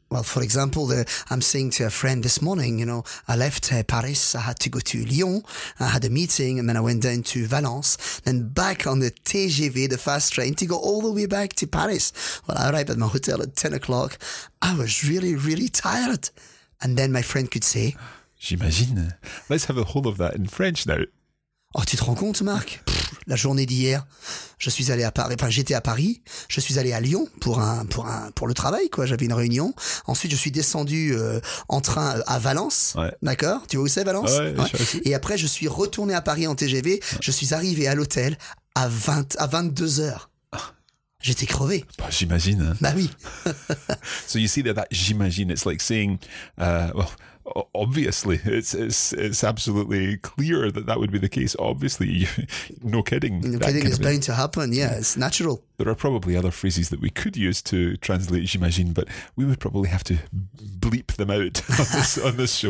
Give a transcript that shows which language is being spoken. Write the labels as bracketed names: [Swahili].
[English] Well, for example, I'm saying to a friend this morning, you know, I left Paris, I had to go to Lyon, I had a meeting, and then I went down to Valence, then back on the TGV, the fast train, to go all the way back to Paris. Well, I arrived at my hotel at 10 o'clock. I was really, really tired. And then my friend could say, [French] j'imagine. [English] Let's have a whole of that in French now. [French] Oh, tu te rends compte, Marc? La journée d'hier, je suis allé à Paris. Enfin, j'étais à Paris. Je suis allé à Lyon pour le travail, quoi. J'avais une réunion. Ensuite, je suis descendu en train à Valence. Ouais. D'accord. Tu vois où c'est, Valence? Ouais, ouais. Et après, je suis retourné à Paris en TGV. Ouais. Je suis arrivé à l'hôtel à 22 heures. J'étais crevé. Bah, j'imagine. Bah oui. [English] So you see that j'imagine, it's like saying, well, Obviously, it's absolutely clear that that would be the case. Obviously, no kidding. No kidding is bound to happen. Yeah, it's natural. There are probably other phrases that we could use to translate j'imagine, but we would probably have to bleep them out on this show.